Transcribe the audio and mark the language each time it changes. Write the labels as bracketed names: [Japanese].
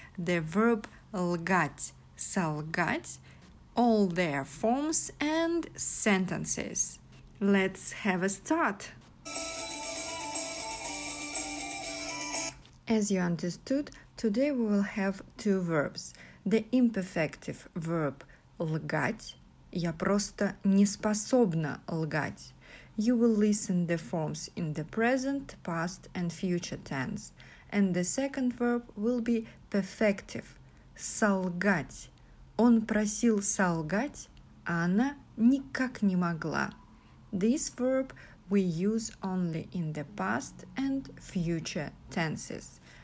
[English] The verb лгать, солгать, all their forms and sentences. Let's have a start. As you understood, today we will have two verbs. The imperfective verb лгать. [Russian] Я просто не способна лгать. [English] You will listen the forms in the present, past and future tense. And the second verb will be perfective. Солгать. [Russian] Он просил солгать, а она никак не могла. [English] This verb we use only in the past and future tenses.